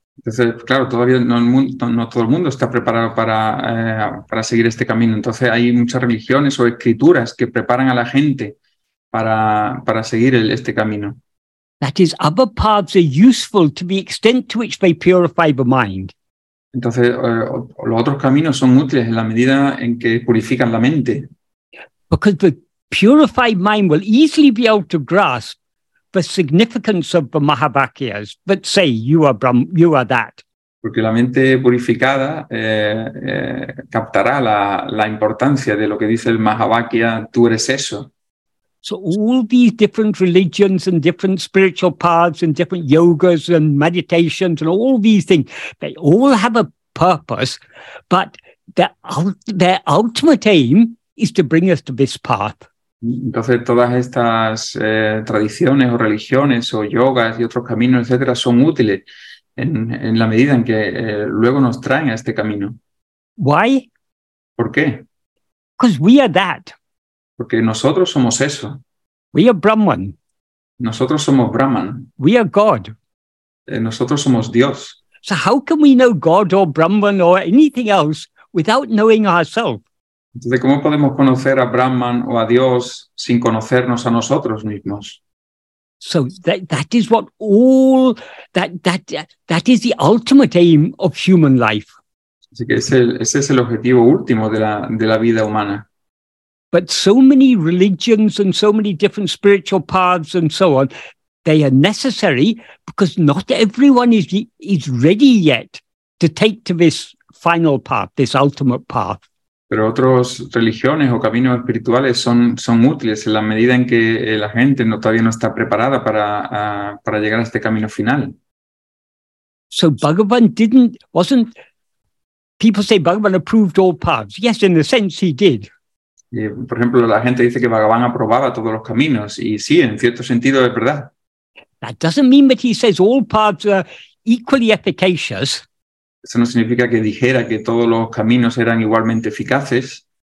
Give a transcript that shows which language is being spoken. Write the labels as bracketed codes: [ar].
[es] Entonces, claro, todavía no todo el mundo está preparado para seguir este camino. Entonces, hay muchas religiones o escrituras que preparan a la gente para seguir este camino. [en] That is, other paths are useful to the extent to which they purify the mind. [es] Entonces, los otros caminos son útiles en la medida en que purifican la mente. [en] Because the purified mind will easily be able to grasp the significance of the Mahavakyas that say you are Brahm, you are that. [es] Porque la mente purificada captará la importancia de lo que dice el Mahavakya, tú eres eso. [en] So all these different religions and different spiritual paths and different yogas and meditations and all these things, they all have a purpose, but their ultimate aim is to bring us to this path. [es] Entonces, todas estas tradiciones o religiones o yogas y otros caminos, etcétera, son útiles en la medida en que luego nos traen a este camino. [en] Why? [es] ¿Por qué? [en] Because we are that. [es] Porque nosotros somos eso. [en] We are Brahman. [es] Nosotros somos Brahman. [en] We are God. [es] Nosotros somos Dios. [en] So how can we know God or Brahman or anything else without knowing ourselves? [es] Entonces, ¿cómo podemos conocer a Brahman o a Dios sin conocernos a nosotros mismos? [en] So that is what all that is the ultimate aim of human life. [es] Así que ese es el objetivo último de la vida humana. [en] But so many religions and so many different spiritual paths and so on, they are necessary because not everyone is ready yet to take to this final path, this ultimate path. [es] Pero otras religiones o caminos espirituales son útiles en la medida en que la gente todavía no está preparada para llegar a este camino final. [en] So Bhagavan wasn't, people say Bhagavan approved all paths. Yes, in a sense he did. [es] Por ejemplo, la gente dice que Bhagavan aprobaba todos los caminos, y sí, en cierto sentido es verdad. [en] That doesn't mean that he says all paths are equally efficacious. [es] Eso no significa que dijera que todos los caminos eran igualmente eficaces.